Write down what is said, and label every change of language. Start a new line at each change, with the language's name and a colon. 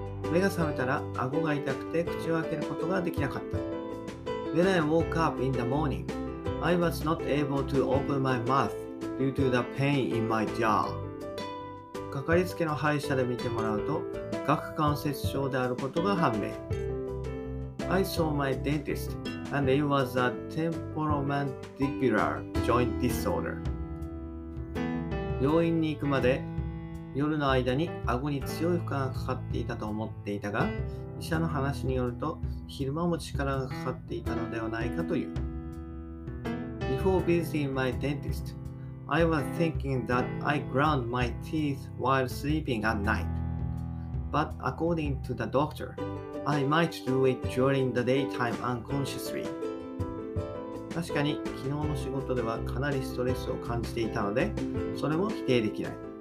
Japanese: 目が覚めたら顎が痛くて口を開けることができなかった。
English: When I woke up in the morning, I was not able to open my mouth due to the pain in my jaw.
Japanese: かかりつけの歯医者で見てもらうと顎関節症であることが判明。
English: I saw my dentist. And it was a temporomandibular joint disorder.
Japanese: 病院に行くまで夜の間に顎に強い負荷がかかっていたと思っていたが、医者の話によると昼間も力がかかっていたのではないかという。
English: Before visiting my dentist, I was thinking that I ground my teeth while sleeping at night. But according to the doctor,I might do it during the daytime unconsciously.
Japanese: 確かに昨日の仕事ではかなりストレスを感じていたので、それも否定できない。